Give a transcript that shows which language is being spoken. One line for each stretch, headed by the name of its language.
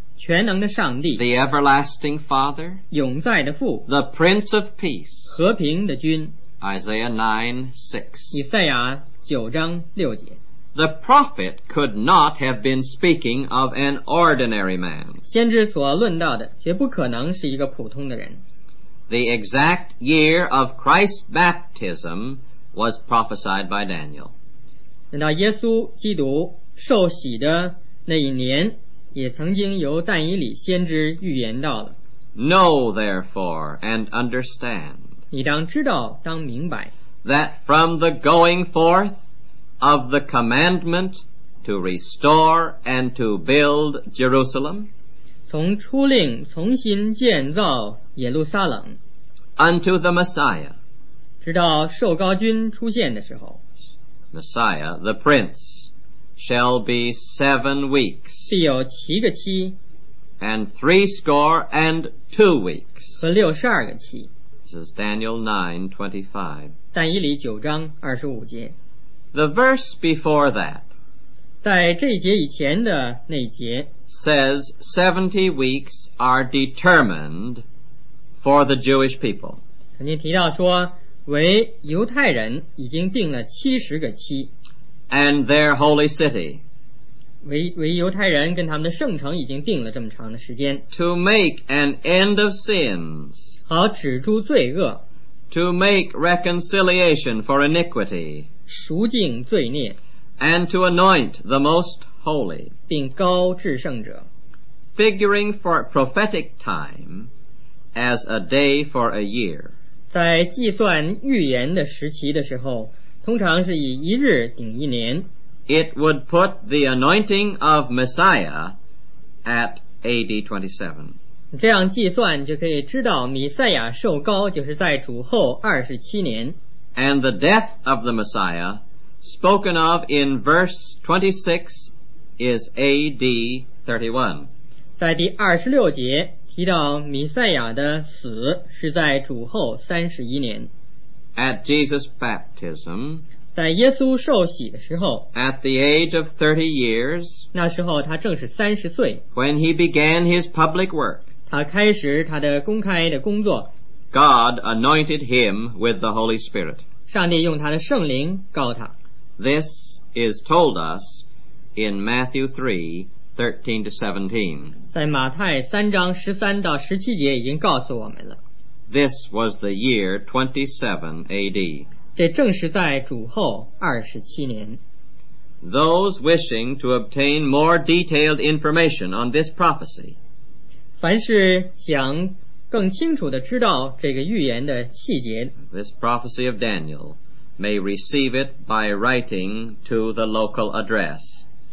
Chinese: 全能的上帝
English: The Everlasting Father,
Chinese: 永在的父
English: The Prince of Peace,
Chinese: 和平的君
English: Isaiah 9:6
Chinese: 以赛亚九章六节。
English: The prophet could not have been speaking of an ordinary man,
Chinese: 先知所论到的绝不可能是一个普通的人。
English: The exact year of Christ's baptism was prophesied by Daniel.
Chinese: 等到耶稣基督受洗的那一年，也曾经由但以理先知预言到了。
English: Know therefore and understand,
Chinese: 你当知道，当明白。
English: That from the going forth of the commandment to restore and to build Jerusalem,
Chinese: 从出令重新建造耶路撒冷
English: unto the Messiah,
Chinese: 直到受膏君出现的时候
English: Messiah, the Prince, shall be 7 weeks,
Chinese: 必有七个期
English: and 62 weeks.
Chinese: 和62个期.
English: This is Daniel 9:25.
Chinese: 但以理9章25节.
English: The verse before that,
Chinese: 在这一节以前的那一节,
English: says 70 weeks are determined for the Jewish people.
Chinese: 曾经提到说, 为犹太人已经定了70个期,
English: and their holy city,
Chinese: 为犹太人跟他们的圣城已经定了这么长的时间,
English: to make an end of sins,
Chinese: 好止住罪恶,
English: to make reconciliation for iniquity,
Chinese: 赎净罪孽,
English: and to anoint the most holy,
Chinese: 并高至圣者,
English: figuring for prophetic time as a day for a year.
Chinese: 在计算预言的时期的时候, 通常是以一日顶一年,
English: it would put the anointing of Messiah at AD 27.
Chinese: 这样计算就可以知道弥赛亚受膏就是在主后27年,
English: and the death of the Messiah spoken of in verse 26 is AD 31.
Chinese: 在第26节提到弥赛亚的死是在主后31年,
English: at Jesus' baptism,
Chinese: 在耶稣受洗的时候,
English: at the age of 30 years,
Chinese: 那时候他正是30岁,
English: when he began his public work,
Chinese: 他开始他的公开的工作,
English: God anointed him with the Holy Spirit.
Chinese: 上帝用他的圣灵膏他。
English: This is told us in Matthew 3:13-17.
Chinese: 在马太3章13到17节已经告诉我们了。
English: This was the year 27 AD.
Chinese: 这正是在主后27年。
English: Those wishing to obtain more detailed information on this prophecy,
Chinese: 凡是想更清楚地知道这个预言的细节,
English: this prophecy of Daniel, may receive it by writing to the local address.